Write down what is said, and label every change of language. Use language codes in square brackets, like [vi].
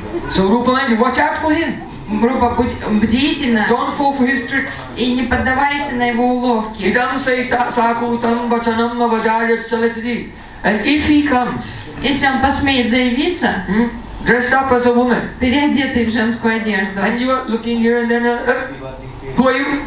[en] So Rupa Manji, watch out for him. [ru] Рупа, будь бдительна. [en] Don't fall for his tricks. [ru] И не поддавайся на его уловки. [sa] Идам сейта сакутам бачанам мавадарья шчалетиди. [en] And if he comes, [ru] если он посмеет заявиться, [en] dressed up as a woman. [ru] Переодетый в женскую одежду. [en] And you are looking here and then, who are you?